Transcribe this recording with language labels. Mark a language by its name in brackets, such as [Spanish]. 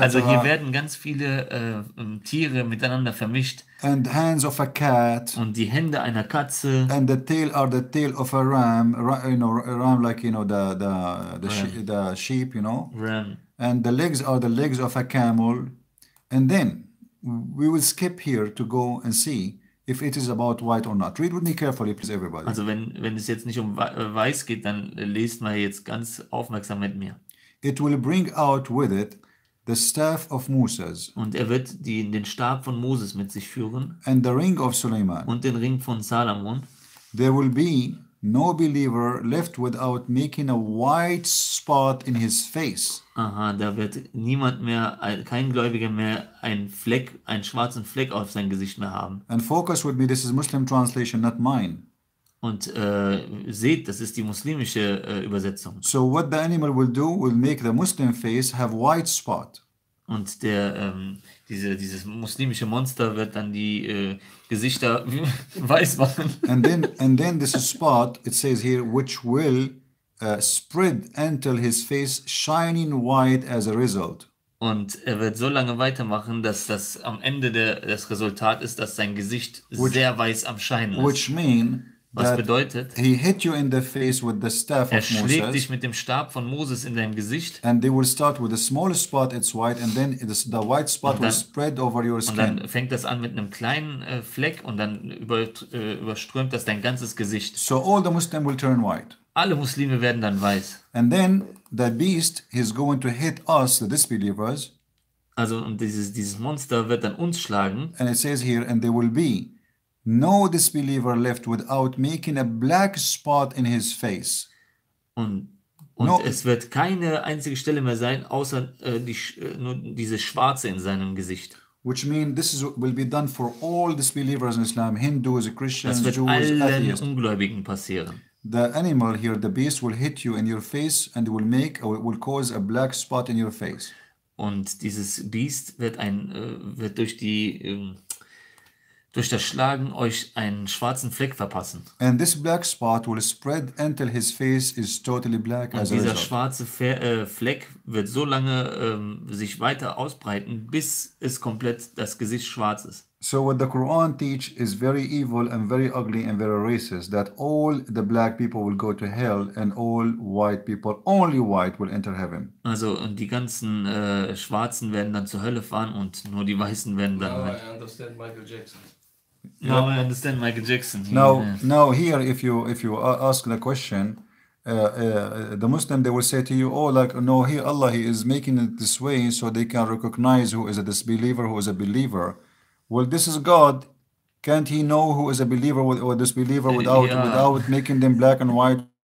[German] Also hier werden ganz viele Tiere miteinander vermischt. [English] And hands of a cat. [German] Und die Hände einer Katze. [English] And the tail are the tail of a ram. Ram like, you know, the sheep, you know. Ram. And the legs are the legs of a camel. And then we will skip here to go and see if it is about white or not. Read with me carefully, please, everybody. [German] Also wenn es jetzt nicht um weiß geht, dann lest mal jetzt ganz aufmerksam mit mir. [English] It will bring out with it the staff of Moses. [German] Und er wird den Stab von Moses mit sich führen. [English] And the ring of Suleiman. [German] Und den Ring von Salomon. [English] There will be no believer left without making a white spot in his face. [German] Aha, da wird niemand mehr, kein Gläubiger mehr einen schwarzen Fleck auf sein Gesicht mehr haben. [English] And focus with me, this is Muslim translation, not mine. [German] Und seht, das ist die muslimische Übersetzung. [English] So what the animal will do will make the Muslim face have white spot. [German] Und der dieses muslimische Monster wird dann die Gesichter weiß machen. [English] And then this spot, it says here, which will spread until his face shining white as a result. [German] Und er wird so lange weitermachen, dass das am Ende das Resultat ist, dass sein Gesicht sehr weiß am Scheinen ist. [English] Which mean, [German] was bedeutet? [English] He hit you in the face with the staff of Moses. [German] Er schlägt dich mit dem Stab von Moses in deinem Gesicht. [English] And they will start with the smallest spot, it's white, and then the white spot will spread over your skin. [German] Und dann fängt das an mit einem kleinen Fleck und dann überströmt das dein ganzes Gesicht. [English] So all the Muslims will turn white. [German] Alle Muslime werden dann weiß. [English] And then the beast is going to hit us, the disbelievers. [German] Also und dieses Monster wird dann uns schlagen. [English] And it says here, and there will be no disbeliever left without making a black spot in his face. [German] Und no, es wird keine einzige Stelle mehr sein, außer nur diese schwarze in seinem Gesicht. [English] Which means this is what will be done for all disbelievers in Islam, Hindus, Christians, Jews, Atheists. [German] Das wird allen Atheist. Ungläubigen passieren. [English] The animal here, the beast, will hit you in your face and will make or will cause a black spot in your face. [German] Und dieses Biest wird durch die durch das Schlagen euch einen schwarzen Fleck verpassen. [English] And this black spot will spread until his face is totally black. [German] Und dieser schwarze Fleck wird so lange sich weiter ausbreiten, bis es komplett das Gesicht schwarz ist. [English] So what the Quran teach is very evil and very ugly and very racist, that all the black people will go to hell and all white people, only white, will enter heaven. [German] Also und die ganzen Schwarzen werden dann zur Hölle fahren und nur die Weißen werden dann... [English] Now I understand Michael Jackson. Now I understand Michael Jackson. Now here, if you ask the question, the Muslim, they will say to you, oh, like, no, here Allah, he is making it this way so they can recognize who is a disbeliever, who is a believer. Well, this is God. Can't he know who is a believer or disbeliever without without making them black and white?